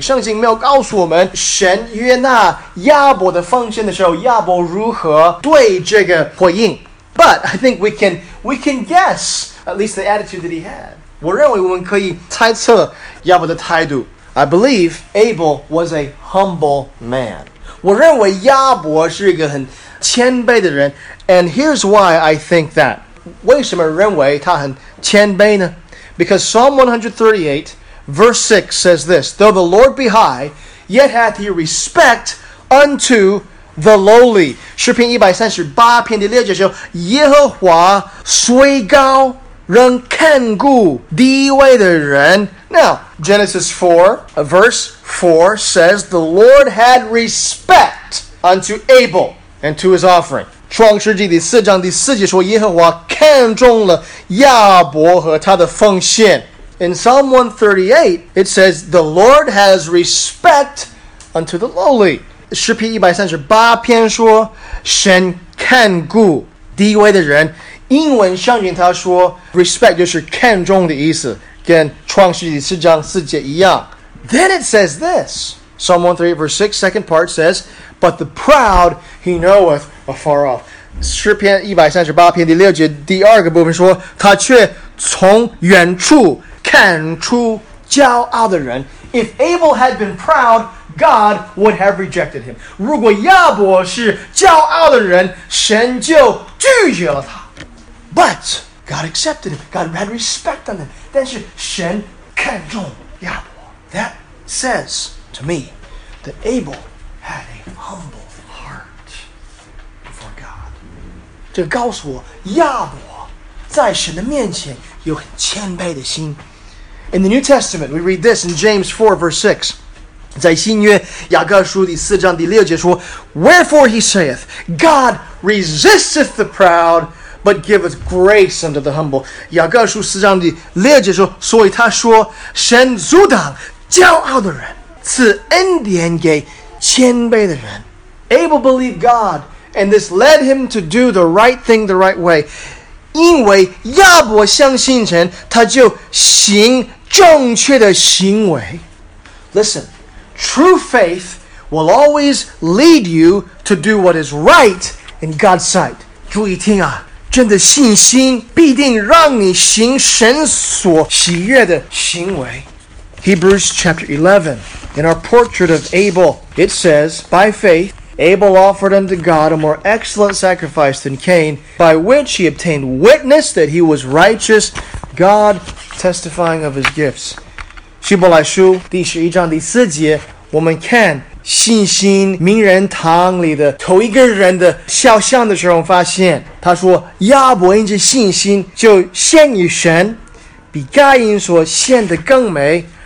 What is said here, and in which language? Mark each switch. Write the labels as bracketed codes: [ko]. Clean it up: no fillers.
[zh] 圣经没有告诉我们神悦纳亚伯的奉献的时候，亚伯如何对这个回应。 [en] But I think we can guess at least the attitude that he had. [zh] 我认为我们可以猜测亚伯的态度。 [en] I believe Abel was a humble man. [zh] 我认为亚伯是一个很谦卑的人。 [en] And here's why I think that. [zh] 为什么认为他很谦卑呢？ [en] Because Psalm 138, verse 6 says this, Though the Lord be high, yet hath he respect unto the lowly. [zh] 诗篇138篇第六节说，耶和华虽高，仍看顾低位的人。 [en] Now, Genesis 4, verse 4 says, The Lord had respect unto Abel and to his offering. [zh] 创世纪第四章第四节说，耶和华看中了亚伯和他的奉献。 [en] In Psalm 138, it says, The Lord has respect unto the lowly. [zh] 诗篇138篇说，神看顾低微的人。英文圣经他说 ，respect 就是看重的意思，跟创世纪四章四节一样。 [en] Then it says this, Psalm 138 verse 6, second part says, But the proud he knoweth afar off. [zh] 诗篇138篇第六节第二个部分说，他却从远处看出骄傲的人。 [en] If Abel had been proud, God would have rejected him. [zh] 如果亚伯是骄傲的人，神就拒绝了他。 [en] But God accepted him. God had respect on him. [zh] 但是神看重亚伯。 [en] That says to me that Abel had a humble heart before God. [zh] 这告诉我亚伯在神的面前有很谦卑的心。 [en] In the New Testament, we read this in James 4, verse 6. [zh] 在新约雅各书第四章第六节说 [en] Wherefore he saith, God resisteth the proud, but giveth grace unto the humble. [zh] 雅各书四章第六节说，所以他说，神阻挡骄傲的人，赐恩典给谦卑的人。 [en] Abel believed God, and this led him to do the right thing the right way. [zh] 因为亚伯相信神，他就行正确的行为。 [en] Listen, true faith will always lead you to do what is right in God's sight. [zh] 注意听啊。真的信心必定让你行神所喜悦的行为。 [en] Hebrews chapter 11, in our portrait of Abel, it says, By faith, Abel offered unto God a more excellent sacrifice than Cain, by which he obtained witness that he was righteous, God testifying of his gifts. [zh] 希伯来书第十一章第四节，我们看信心名人堂里的头一个人的肖像的时候，发现他说亚伯因着信心就献与神，比该隐所献的更美。